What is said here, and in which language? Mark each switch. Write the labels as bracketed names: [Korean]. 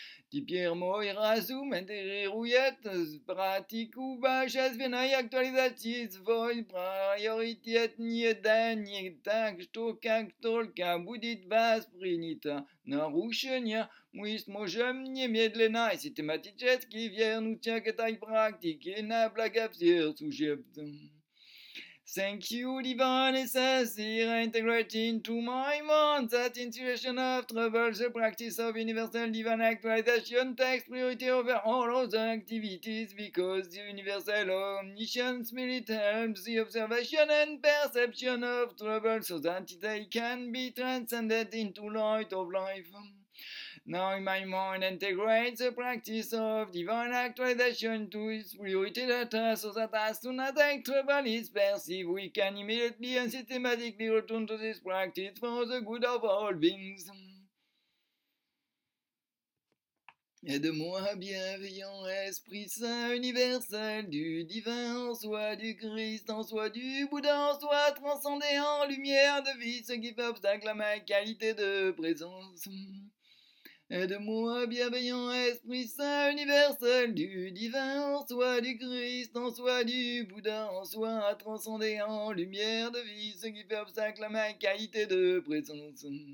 [English] Tipier moi razum intégré rouillette, pratique ou bachez venaille actualisatis, voil priority et niedan, niedan, sto canctol, cambudit vas prinita, narouchenia, mouis mojem niemiedlena, et c'est thématiques qui vient nous tient que taille pratique, et n'a plagapsir sous jept. Thank you, divine essence, here integrated into my mind. That in situation of trouble, the practice of universal divine actualization takes priority over all other activities because the universal omniscience spirit helps the observation and perception of trouble so that they can be transcended into light of life. Now my mind integrates the practice of divine actualization to its priority data so that as soon as that trouble is perceived, we can immediately and systematically return to this practice for the good of all beings. [French] Aide-moi, bienveillant Esprit Saint universel, du divin en soi, du Christ en soi, du Bouddha en soi, transcendé en lumière de vie, ce qui fait obstacle à ma qualité de présence. Aide-moi, bienveillant Esprit Saint universel, du divin en soi, du Christ en soi, du Bouddha en soi, transcendé en lumière de vie, ce qui fait obstacle à ma qualité de présence.